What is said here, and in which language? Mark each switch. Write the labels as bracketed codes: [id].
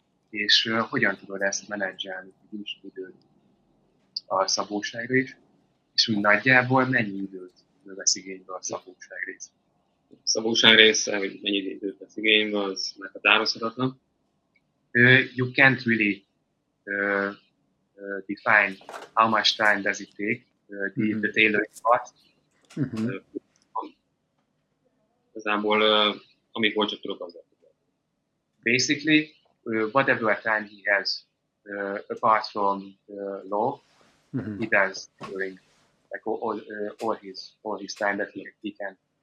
[hu] És hogyan tudod ezt menedzselni kis időt a szabóságrész, és nagyjából mennyi időt vesz igénybe a szabóságrész? A szabóságrész, hogy mennyi időt vesz igénybe, az meghatározhatatlan. [en] You can't really define how much time does it take the tailoring part. [hu] Igazából, amikor csak tudok, azzal tudok. [en] Basically, whatever time he has, apart from law, he does during like all his time that he can.